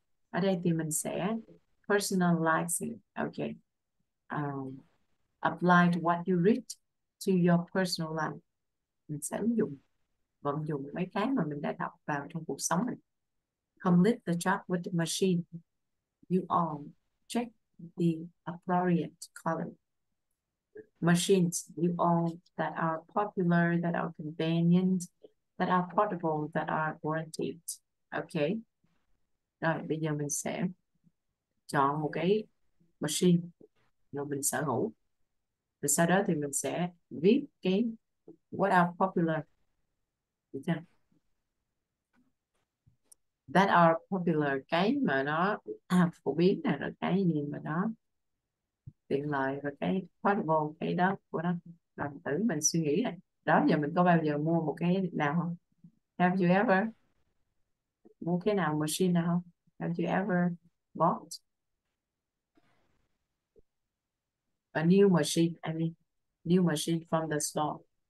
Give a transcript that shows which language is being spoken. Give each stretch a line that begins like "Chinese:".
Vietnamese: Ở đây thì mình sẽ
English: personalize it. Okay. Apply what you read to your personal life.
Vietnamese: Mình sẽ ứng dụng, vận dụng mấy cái mà mình đã đọc vào trong cuộc sống mình.
English: Complete the job with the machine. You all check the appropriate color. Machines, you all that are popular, that are convenient, that are portable, that are warranted. Okay.
Vietnamese: Rồi, bây giờ mình sẽ chọn một cái machine mà mình sở hữu. Và sau đó thì mình sẽ viết cái
English: what are popular.
Vietnamese: Được chưa?
English: That are popular,
Vietnamese: cái mà nó phổ biến này, rồi cái gì mà nó tiện lợi, và cái portable, cái đó của nó. Rồi tự mình suy nghĩ này. Đó, giờ mình có bao giờ mua một cái nào không?
English: Have you ever
Vietnamese: mua cái nào, machine nào không?
English: Have you ever bought a new machine, I mean, new machine from the store?